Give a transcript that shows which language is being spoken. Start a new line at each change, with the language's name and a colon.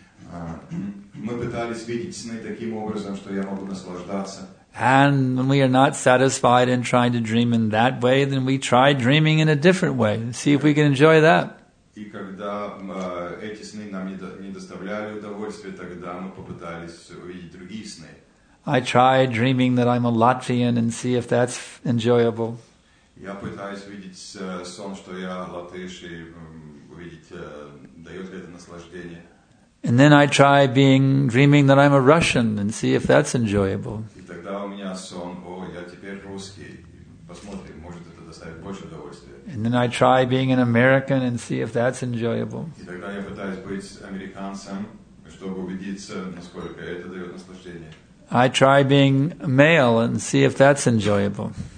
Russian: Мы пытались видеть сны таким образом, что я могу наслаждаться.
English: And when we are not satisfied in trying to dream in that way, then we try dreaming in a different way. See if we can enjoy that.
Russian: И когда эти сны нам не доставляли удовольствия, тогда мы попытались увидеть другие сны.
English: I try dreaming that I'm a Latvian and see if that's enjoyable.
Russian: Я пытаюсь видеть сон, что я латыш, и увидеть, дает ли это наслаждение.
English: And then I try dreaming that I'm a Russian and see if that's enjoyable.
Russian: И тогда у меня сон, о, я теперь русский. Посмотрим, может это доставит больше удовольствия.
English: And then I try being an American and see if that's enjoyable.
Russian: И тогда я пытаюсь быть американцем, чтобы убедиться, насколько это дает наслаждение.
English: I try being male and see if that's enjoyable.